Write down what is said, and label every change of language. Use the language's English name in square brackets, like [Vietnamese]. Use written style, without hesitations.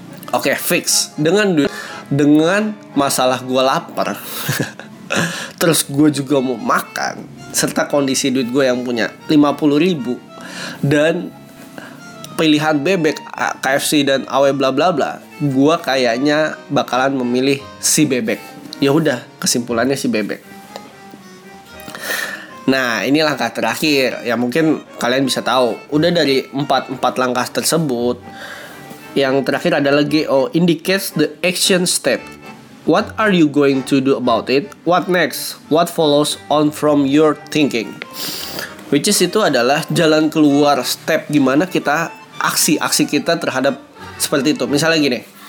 [Indonesian] Oke, fix. Dengan masalah gue lapar, terus gue juga mau makan, serta kondisi duit gue yang punya 50 ribu dan pilihan bebek, KFC dan AW bla bla bla, gue kayaknya bakalan memilih si bebek. Ya udah, kesimpulannya si bebek. Nah, ini langkah terakhir. Ya mungkin kalian bisa tahu, udah dari 4 langkah tersebut, yang terakhir adalah GO, [English] indicates the action step. What are you going to do about it? What next? What follows on from your thinking? Which is [Indonesian] itu adalah jalan keluar, step gimana kita aksi kita terhadap seperti itu. Misalnya gini.